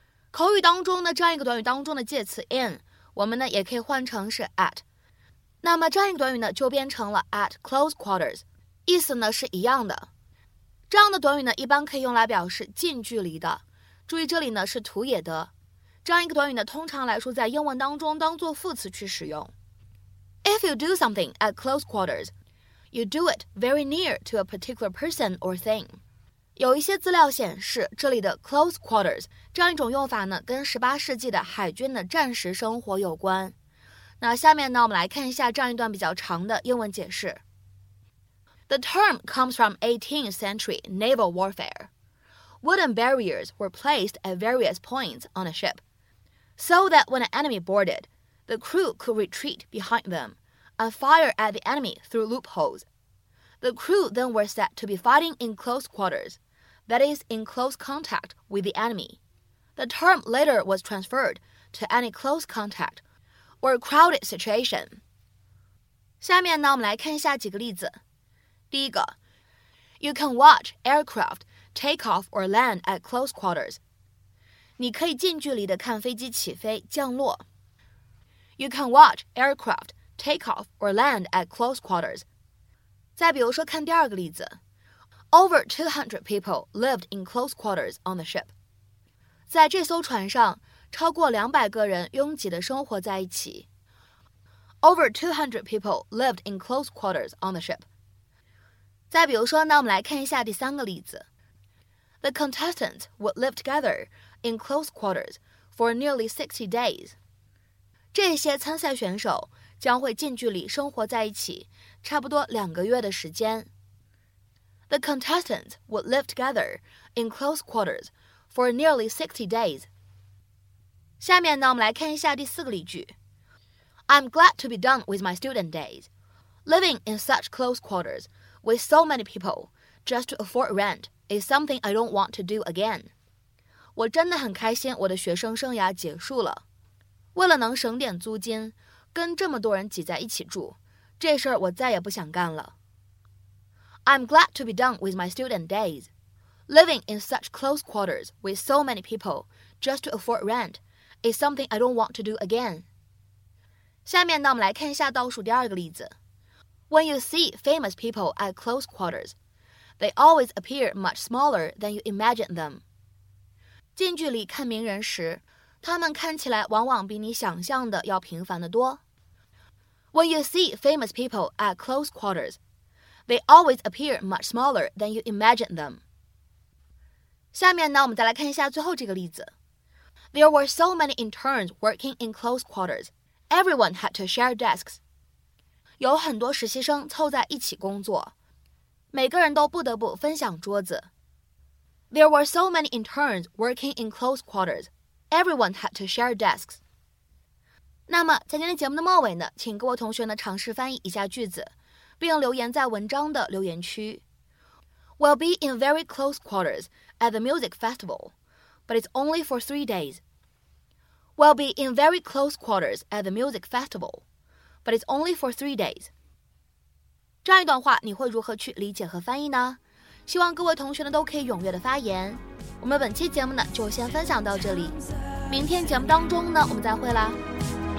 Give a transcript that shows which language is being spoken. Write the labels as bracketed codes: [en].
[zh] 口语当中呢，这样一个短语当中的介词 in, 我们呢也可以换成是 at. 那么这样一个短语呢，就变成了 at close quarters, 意思呢是一样的。这样的短语呢，一般可以用来表示近距离的。注意这里呢是图也得。这样一个短语呢，通常来说在英文当中当做副词去使用。 [en] If you do something at close quarters, you do it very near to a particular person or thing. [zh] 有一些资料显示，这里的 close quarters 这样一种用法呢，跟18世纪的海军的战时生活有关。那下面呢，我们来看一下这样一段比较长的英文解释。 [en] The term comes from 18th century naval warfare. wooden barriers were placed at various points on a ship, so that when an enemy boarded, the crew could retreat behind them and fire at the enemy through loopholes. The crew then were set to be fighting in close quarters, that is, in close contact with the enemy. The term later was transferred to any close contact or crowded situation. [zh] 下面呢，我们来看一下几个例子。第一个， [en] You can watch aircraft take off or land at close quarters. [zh] 你可以近距离地看飞机起飞降落。 [en] You can watch aircraft take off or land at close quarters. [zh] 再比如说看第二个例子。 [en] Over 200 people lived in close quarters on the ship. [zh] 在这艘船上，超过200个人拥挤地生活在一起。 [en] Over 200 people lived in close quarters on the ship. [zh] 再比如说呢，我们来看一下第三个例子。 [en] The contestants would live together in close quarters for nearly 60 days. [zh] 这些参赛选手将会近距离生活在一起差不多两个月的时间。 [en] The contestants would live together in close quarters for nearly 60 days. [zh] 下面呢，我们来看一下第四个例句。 [en] I'm glad to be done with my student days. Living in such close quarters with so many people just to afford rent is something I don't want to do again. [zh] 我真的很开心我的学生生涯结束了。为了能省点租金，跟这么多人挤在一起住，这事儿我再也不想干了。 [en] I'm glad to be done with my student days. Living in such close quarters with so many people just to afford rent is something I don't want to do again. [zh] 下面呢，我们来看一下倒数第二个例子。 [en] When you see famous people at close quarters, they always appear much smaller than you imagine them. [zh] 近距离看名人时，他们看起来往往比你想象的要平凡得多。 [en] When you see famous people at close quarters, they always appear much smaller than you imagine them. [zh] 下面呢，我们再来看一下最后这个例子。 [en] There were so many interns working in close quarters. Everyone had to share desks. [zh] 有很多实习生凑在一起工作，每个人都不得不分享桌子。 [en] There were so many interns working in close quarters. Everyone had to share desks. [zh] 那么，在今天的节目的末尾呢，请各位同学呢尝试翻译一下句子，并留言在文章的留言区。 [en] We'll be in very close quarters at the music festival, but it's only for 3 days. We'll be in very close quarters at the music festival, but it's only for 3 days. [zh] 这样一段话你会如何去理解和翻译呢？希望各位同学呢都可以踊跃的发言。我们本期节目呢就先分享到这里，明天节目当中呢我们再会啦。